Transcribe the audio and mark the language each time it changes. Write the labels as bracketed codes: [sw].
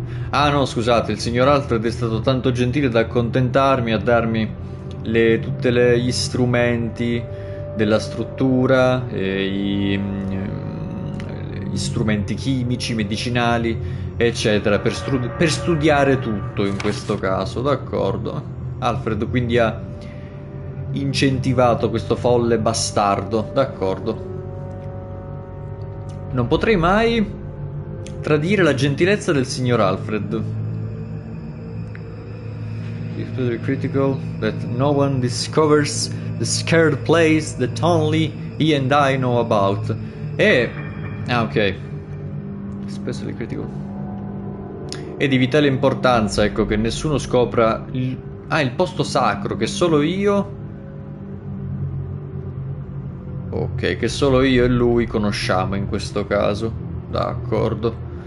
[it] Ah no, scusate, il signor Alfred è stato tanto gentile da accontentarmi, a darmi gli strumenti della struttura, gli strumenti chimici, medicinali, eccetera, per studiare tutto in questo caso, d'accordo. Alfred quindi ha incentivato questo folle bastardo, d'accordo. Non potrei mai tradire la gentilezza del signor Alfred. [en] It's very critical that no one discovers the scared place that only he and I know about. Ok. Especially critical. [it] È di vitale importanza, ecco, che nessuno scopra il posto sacro che solo io. Ok, che solo io e lui conosciamo in questo caso. D'accordo.